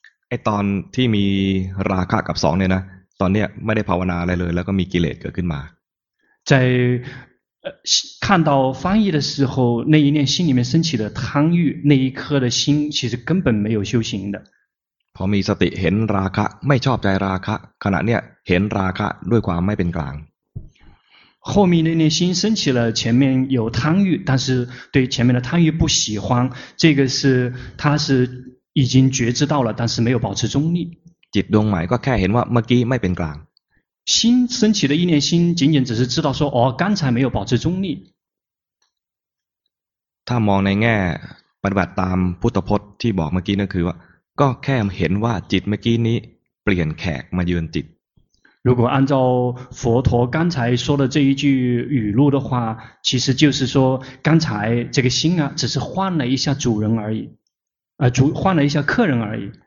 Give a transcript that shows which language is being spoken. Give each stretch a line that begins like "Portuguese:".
Thai: ไอ้ตอนที่มีราคะกับสองเนี่ยนะตอนเนี้ยไม่ได้ภาวนาอะไรเลยแล้วก็มีกิเลสเกิดขึ้นมา
Chinese: 在看到翻译的时候那一念心里面升起的贪欲那一颗的心其实根本没有修行的
Thai: พอมีสติเห็นราคะไม่ชอบใจราคะขณะเนี้ยเห็นราคะด้วยความไม่เป็นกลาง
Chinese: 后面那念心升起了前面有贪欲但是对前面的贪欲不喜欢这个是他是已经觉知到了但是没有保持中立
Thai: จิตดวงใหม่ก็แค่เห็นว่าเมื่อกี้ไม่เป็นกลาง
Chinese: 新升起的一念心仅仅只是知道说哦刚才没有保持中立
Thai: ถ้ามองในแง่ปฏิบัติตามพุทธพจน์ที่บอกเมื่อกี้นั่นคือว่าก็แค่เห็นว่าจิตเมื่อกี้นี้เปลี่ยนแขกมาเยือนจิต
Chinese: 如果按照佛陀刚才说的这一句语录的话其实就是说刚才这个心啊只是换了一下主人而已换了一下客人而已